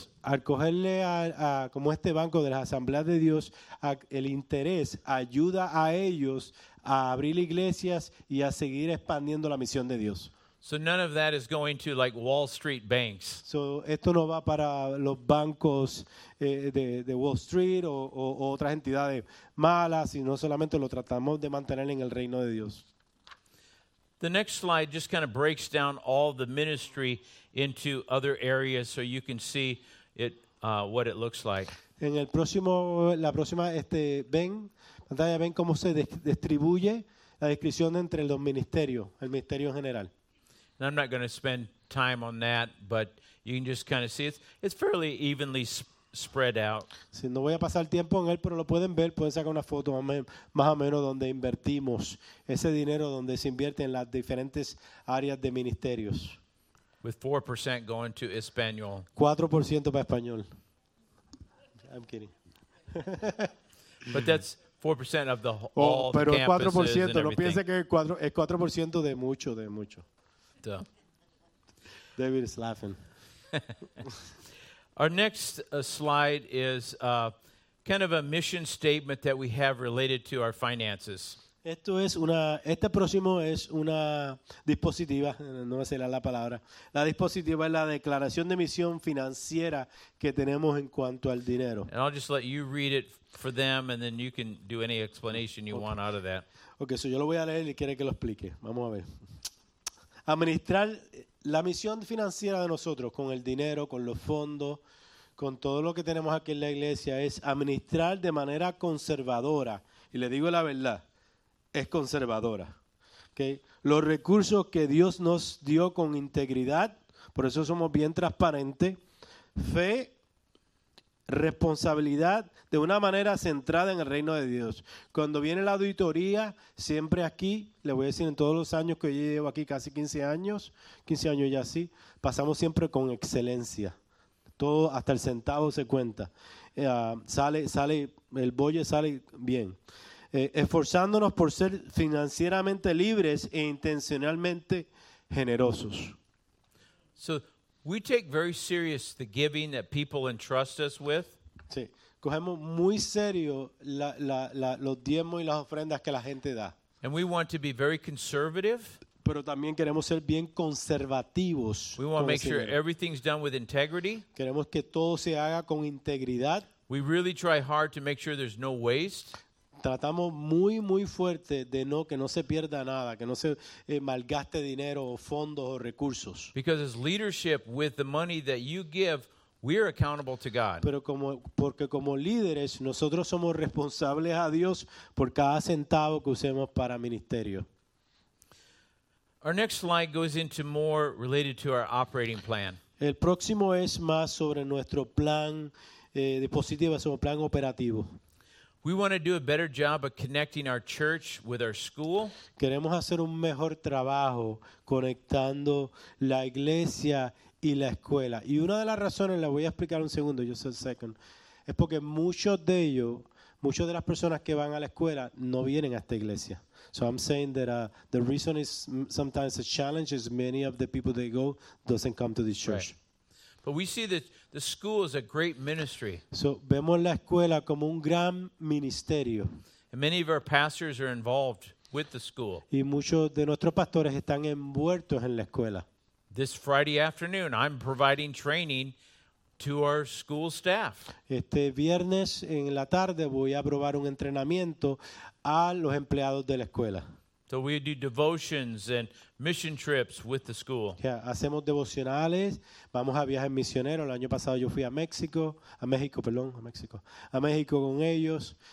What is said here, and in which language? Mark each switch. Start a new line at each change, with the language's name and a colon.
Spanish: So, al cogerle a como este banco de las Asambleas de Dios, el interés ayuda a ellos a abrir iglesias y a seguir expandiendo la misión de Dios.
English: So none of that is going to like Wall Street banks.
Spanish: So esto no va para los bancos de Wall Street o otras entidades malas, sino solamente lo tratamos de mantener en el reino de Dios.
English: The next slide just kind of breaks down all the ministry into other areas so you can see it what it looks like.
Spanish: En el próximo la próxima ven, pantalla ven cómo se distribuye la descripción entre los ministerios, el ministerio en general.
English: I'm not going to spend time on that, but you can just kind of see it's fairly evenly spread out.
Spanish: Sí, no voy a pasar tiempo en él, pero lo pueden ver, pueden sacar una foto más o menos donde invertimos ese dinero, donde se invierte en las diferentes áreas de ministerios.
English: With 4% going to Español.
Spanish: 4% para Español.
English: I'm kidding. But that's 4% of the all the campuses.
Spanish: Pero 4%, no piense que es 4% de mucho.
English: David is laughing. Our next slide is kind of a mission statement that we have related to our finances.
Spanish: Esto es una. Este próximo es una dispositiva. No sé la palabra. La dispositiva es la declaración de misión financiera que tenemos en cuanto al dinero.
English: And I'll just let you read it for them, and then you can do any explanation you want out of that.
Spanish: Okay, so yo lo voy a leer y quiere que lo explique. Vamos a ver. Administrar la misión financiera de nosotros con el dinero, con los fondos, con todo lo que tenemos aquí en la iglesia es administrar de manera conservadora, y le digo la verdad, es conservadora, ¿okay? Los recursos que Dios nos dio con integridad, por eso somos bien transparentes, fe, responsabilidad de una manera centrada en el reino de Dios. Cuando viene la auditoría, siempre aquí, le voy a decir en todos los años que yo llevo aquí, casi 15 años ya así, pasamos siempre con excelencia. Todo, hasta el centavo se cuenta. Sale el bolle sale bien. Esforzándonos por ser financieramente libres e intencionalmente generosos.
English: So we take very serious the giving that people entrust us with.
Spanish: Sí, cogemos muy serio los diezmos y las ofrendas que la gente da.
English: And we want to be very conservative.
Spanish: Pero también queremos ser bien conservativos.
English: We want to make sure everything's done with integrity.
Spanish: Queremos que todo se haga con integridad.
English: We really try hard to make sure there's no waste.
Spanish: Tratamos muy muy fuerte de no que no se pierda nada, que no se malgaste dinero o fondos o recursos.
English: Because as leadership, with the money that you give, we are accountable to God.
Spanish: Pero como porque como líderes nosotros somos responsables a Dios por cada centavo que usemos para ministerio.
English: Our next slide goes into more related to our operating plan.
Spanish: El próximo es más sobre nuestro plan dispositivo, sobre plan operativo.
English: We want to do a better job of connecting our church with our school.
Spanish: Queremos hacer un mejor trabajo conectando la iglesia y la escuela. Y una de las razones, la voy a explicar un segundo,
English: just a second,
Spanish: es porque muchos de las personas que van a la escuela no vienen a esta iglesia.
English: So I'm saying that the reason is sometimes a challenge is many of the people that go doesn't come to this church. Right. But we see that the school is a great ministry.
Spanish: So vemos la escuela como un gran ministerio.
English: And many of our pastors are involved with the school.
Spanish: Y muchos de nuestros pastores están envueltos en la escuela.
English: This Friday afternoon, I'm providing training to our school staff.
Spanish: Este viernes en la tarde voy a probar un entrenamiento a los empleados de la escuela.
English: So we do devotions and mission trips with the school.
Spanish: Yeah, hacemos devocionales, vamos a viajes misioneros. El año pasado yo fui a México con ellos.